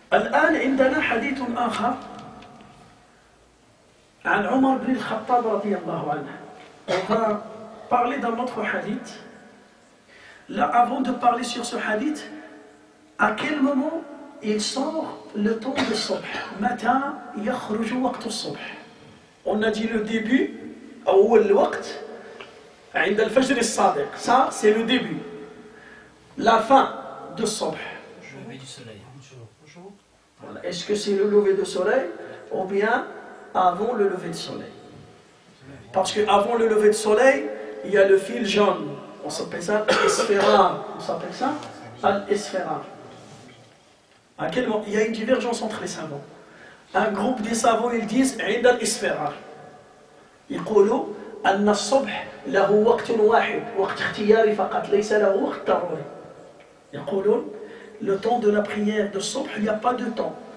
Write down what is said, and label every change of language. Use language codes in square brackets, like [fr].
[ar] الآن عندنا حديث آخر عن عمر بن الخطاب رضي الله عنه. [fr] On va parler d'un autre hadith. Là, avant de parler sur ce hadith, à quel moment il sort le temps de subh? [ar] Mata yakhruj waqt as-subh? [fr] On a dit le début, [ar] awwal waqt, عند الفجر الصادق. [fr] Ça, c'est le début. La fin de subh. Le lever du soleil. Voilà. Est-ce que c'est le lever de soleil ou bien avant le lever de soleil? Parce que avant le lever de soleil, il y a le fil jaune. On s'appelle ça l'esfera. On s'appelle ça l'esfera. À quel moment? Il y a une divergence entre les savants. Un groupe des savants, ils disent [ar] عند الاسفراء. Ils disent أن الصبح له وقت واحد وقت اختياري فقط ليس له وقت ضروري. [fr] Ils disent le temps de la prière de صبح, il n'y a pas de temps.